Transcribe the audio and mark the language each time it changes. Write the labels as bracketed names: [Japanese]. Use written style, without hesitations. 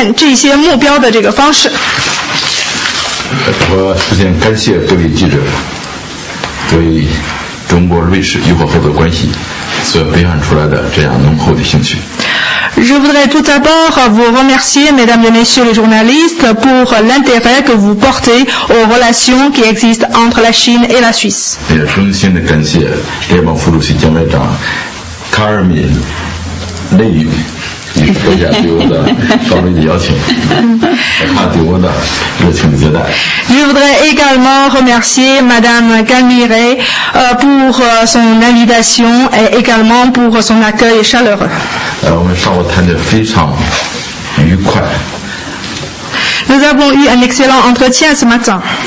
[Chinese] 最后，我们双方一致同意，目前双方的双边关系呢内容非常的丰富，但是我们也应该进一步推动在各个领域双边关系的发展。所以我们必须更好的这个规划双边关系的发展，使得我们之间的双边合作能够更加的密切，能够取得更加丰硕的成果。在未来的几个月，双方还将进一步讨论，实现这些目标的这个方式。首先感谢各位记者对中国瑞士友好合作关系所表现出来的这样浓厚的兴趣。 [French] Je voudrais tout d'abord vous remercier, mesdames et messieurs les journalistes, pour l'intérêt que vous portez aux relations qui existent entre la Chine et la Suisse. [Chinese] 也衷心的感谢联邦副主席兼外长卡尔敏内语。 [French] Je voudrais également remercier Madame Camiré pour son invitation et également pour son accueil chaleureux. Nous avons eu un excellent entretien ce matin.